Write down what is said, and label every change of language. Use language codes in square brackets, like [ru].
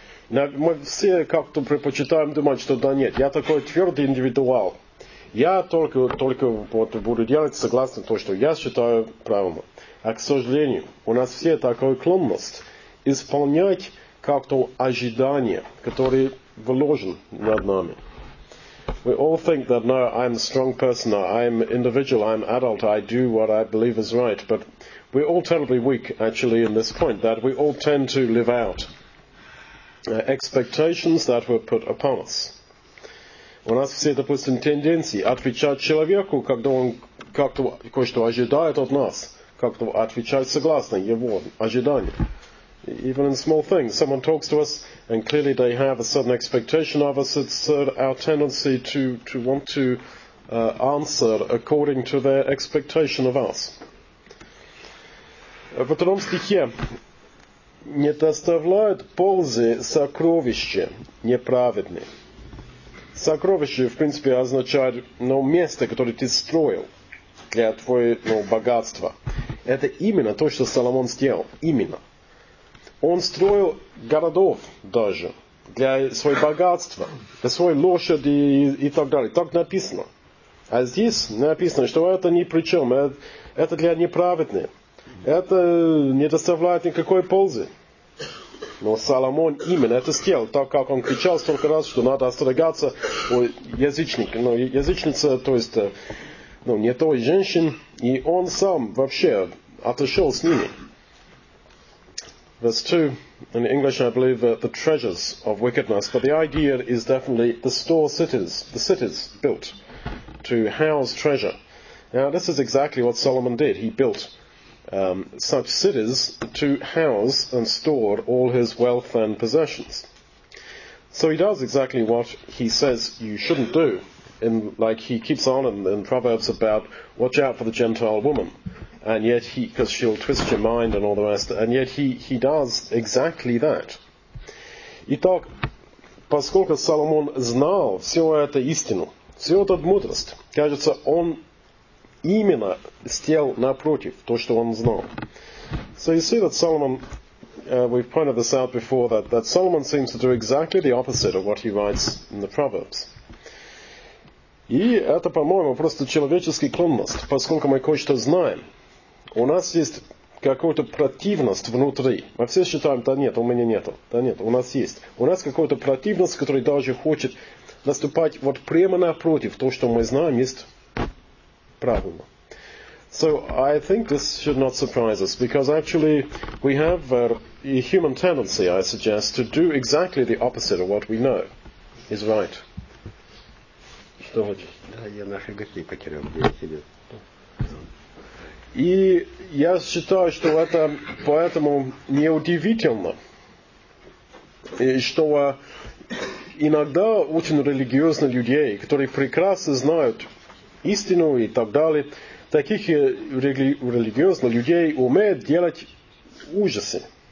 [ru] Но мы все как-то предпочитаем думать, что да нет, я такой твердый индивидуал. Я только вот буду делать согласно то, что я считаю правильно. А к сожалению, у нас все такая склонность исполнять как-то ожидания, которые вложены над нами. [en] We all think that no, I'm a strong person, I'm individual, I'm adult, I do what I believe is right. But we're all terribly weak, actually, in this point, that we all tend to live out expectations that were put upon us. [ru] У нас все, допустим, тенденции отвечать человеку, когда он как-то кое-что ожидает от нас, как-то отвечать согласно его ожиданиям. [en] Even in small things, someone talks to us, and clearly they have a certain expectation of us. It's our tendency to want to answer according to their expectation of us. [ru] В втором стихе не доставляют пользы сокровища неправедные. Сокровище, в принципе, означает место, которое ты строил для твоего богатства. Это именно то, что Соломон сделал. Именно. Он строил городов даже для своего богатства, для своей лошади и так далее. Так написано. А здесь написано, что это ни при чем. Это для неправедных. Это не доставляет никакой пользы. Но Соломон именно это сделал, так как он кричал столько раз, что надо остерегаться у язычника. Ну, язычница, то есть не той женщин. И он сам вообще отошел с ними. [en] Verse 2, in English I believe the treasures of wickedness, but the idea is definitely the store cities, the cities built to house treasure. Now this is exactly what Solomon did. He built such cities to house and store all his wealth and possessions. So he does exactly what he says you shouldn't do. In like he keeps on in Proverbs about watch out for the Gentile woman. And yet he, because she'll twist your mind and all the rest, and yet he does exactly that. [ru] Итак, поскольку Соломон знал всю эту истину, всю эту мудрость, кажется, он именно сделал напротив то, что он знал. [en] So you see that Solomon, we've pointed this out before, that Solomon seems to do exactly the opposite of what he writes in the Proverbs. [ru] И это, по-моему, просто человеческий склонность, поскольку мы кое-что знаем. У нас есть какая-то противность внутри. Мы все считаем, да нет, у меня нету. Да нет, у нас есть. У нас какая-то противность, которая даже хочет наступать вот прямо напротив то, что мы знаем, есть правильно. [en] So I think this should not surprise us, because actually we have a human tendency, I suggest, to do exactly the opposite of what we know is right. [ru] Что хочешь? Да, я наши гости потерял где себе. И я считаю, что это поэтому неудивительно, что иногда очень религиозные людей, которые прекрасно знают истину и так далее, таких религиозных людей умеют делать ужасы.